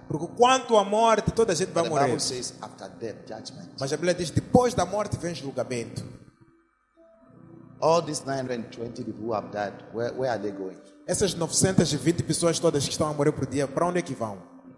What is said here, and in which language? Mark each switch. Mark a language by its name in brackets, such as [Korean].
[Portuguese] Porque quanto à morte, toda a gente vai morrer. [English] Bible says, after death, judgment. [Portuguese] Mas a Bíblia diz, depois da morte vem julgamento. [English] All these 920 people who have died, where are they going? [Portuguese] Essas 920 pessoas todas que estão a morrer por dia, para onde é que vão?